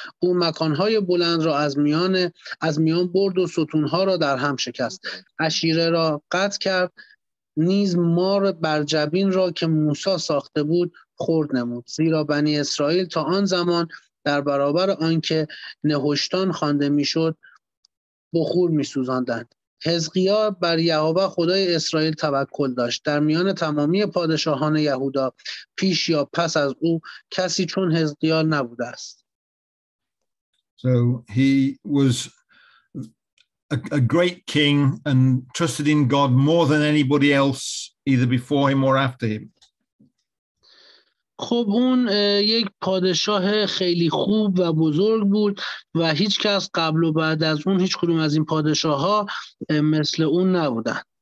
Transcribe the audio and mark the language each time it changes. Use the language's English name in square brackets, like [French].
[Persian] او مکانهای بلند را از میان برد و ستونها را در هم شکست، اشیره را قطع کرد، نیز مار برجبین را که موسی ساخته بود خورد نمود، زیرا بنی اسرائیل تا آن زمان در برابر آنکه نهشتان خوانده میشد بخور میسوزاندند. حزقیا بر یهوه خدای اسرائیل توکل داشت. در میان تمامی پادشاهان یهودا پیش یا پس از او کسی چون حزقیا نبوده است. [English] So he was a great king and trusted in God more than anybody else either before him or after him. [Persian] خب اون یک پادشاه خیلی خوب و بزرگ بود و هیچ کس قبل و بعد از اون هیچ کدوم از این پادشاه ها مثل اون نبودن.